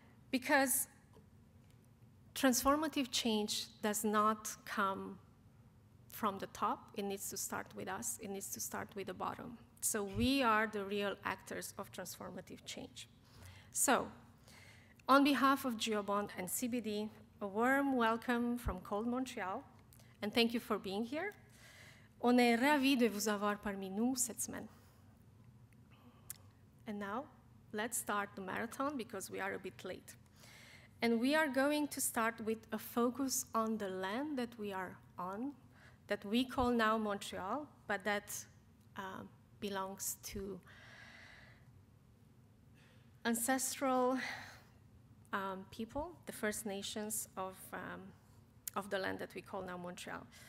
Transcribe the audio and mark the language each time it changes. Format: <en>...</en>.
<en>Because transformative change does not come from the top. It needs to start with us. It needs to start with the bottom. So we are the real actors of transformative change. So, on behalf of GEOBON and CBD, a warm welcome from cold Montreal, and thank you for being here.</en> <fr>On est ravis de vous avoir parmi nous cette semaine.</fr> <en>And now, let's start the marathon because we are a bit late. And we are going to start with a focus on the land that we are on, that we call now Montreal, but that belongs to ancestral people, the First Nations of the land that we call now Montreal.</en>